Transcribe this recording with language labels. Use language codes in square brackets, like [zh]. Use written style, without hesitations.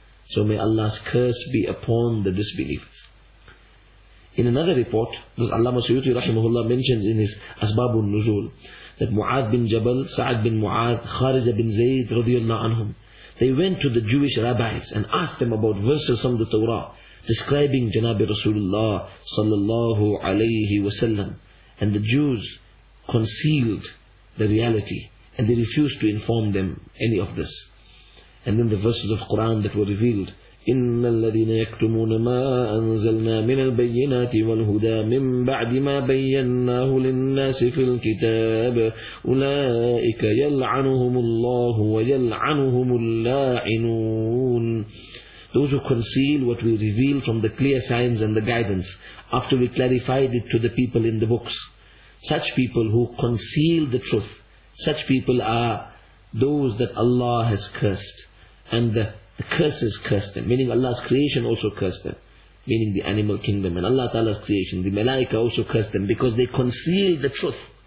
[en] So may Allah's curse be upon the disbelievers. In another report, this Allama Suyuti rahimahullah mentions in his Asbabun Nuzul that Mu'adh bin Jabal, Sa'ad bin Mu'adh, Kharija bin Zayd radiyallahu anhum, they went to the Jewish rabbis and asked them about verses from the Torah describing Janabi Rasulullah sallallahu alayhi wasallam. And the Jews concealed the reality and they refused to inform them any of this. [ar] And then the verses of Quran that were revealed, إِنَّ الَّذِينَ يَكْتُمُونَ مَا أَنزَلْنَا مِنَ الْبَيِّنَاتِ وَالْهُدَى مِنْ بَعْدِ مَا بَيَّنَّاهُ لِلنَّاسِ فِي الْكِتَابِ أُولَٰئِكَ يَلْعَنُهُمُ اللَّهُ وَيَلْعَنُهُمُ اللَّاعِنُونَ. [en] Those who conceal what we reveal from the clear signs and the guidance after we clarified it to the people in the books, such people who conceal the truth, such people are those that Allah has cursed, and the curses curse them, meaning Allah's creation also cursed them, meaning the animal kingdom and Allah Ta'ala's creation, the malaika also cursed them because they concealed the truth.